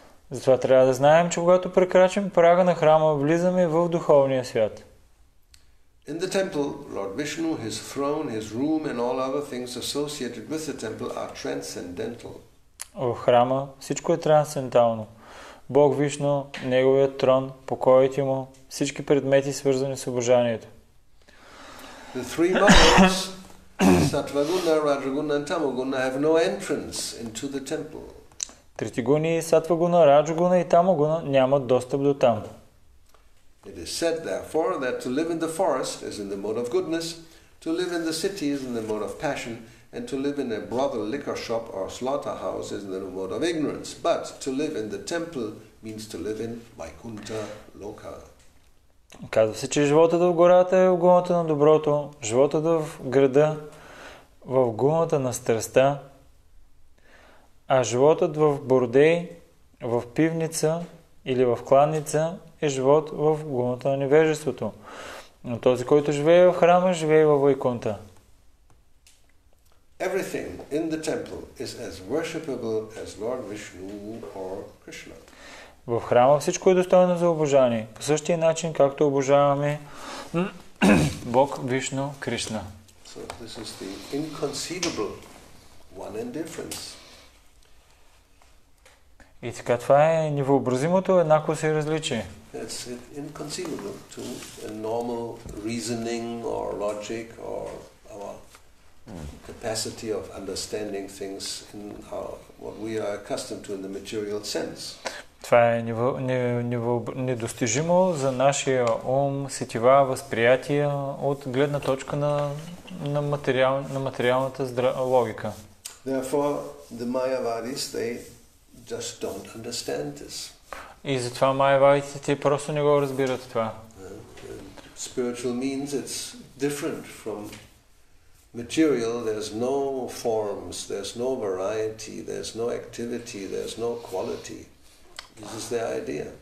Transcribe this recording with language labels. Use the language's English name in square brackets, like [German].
[Bulgarian] Затова трябва да знаем, че когато прекрачим прага на храма, влизаме в духовния свят. [English] In the temple, Lord Vishnu, his throne, his room and all other things associated with the temple are transcendental. [Bulgarian] В храма всичко е трансцендентално. Бог Вишну, неговият трон, покоите му, всички предмети свързани с обожанието. [English] The three models, Сатва Гуна, Раджа Гуна и Тама Гуна have no entrance into the temple. [Bulgarian] Трети гуни, Сатва гуна, Раджа гуна и Тама гуна нямат достъп до там. [English] It is said therefore that to live in the forest is in the mode of goodness, to live in the city is in the mode of passion, and to live in a brothel liquor shop or slaughterhouse is in the mode of ignorance. But to live in the temple means to live in Vaikuntha Loka. [Bulgarian] Казва се, че животът в гората е в гуната на доброто, животът в града в гуната на страстта, а животът в бордей, в пивница или в кланница е живот в гумата на невежеството. Но този, който живее в храма, живее в Вайкунта. [English] Everything in the temple is as worshipable as Lord Vishnu or Krishna. [Bulgarian] В храма всичко е достойно за обожание, по същия начин, както обожаваме Бог Вишну Кришна. [English] So this is the inconceivable one and difference. [Bulgarian] И така, това е невъобразимото еднаквост и различие. [English] It's inconceivable to a normal reasoning or logic or our capacity of understanding things in our, what we are accustomed to in the material sense. [Bulgarian] Това е недостижимо за нашия ум, сетива, възприятие от гледна точка на, на материалната логика. [English] Therefore, the Mayavadis, they just don't understand this. [Bulgarian] И затова майявадите, те просто не го разбират това. [English] Spiritual means it's different from material. There's no forms, there's no variety, there's no activity, there's no quality. This is their idea.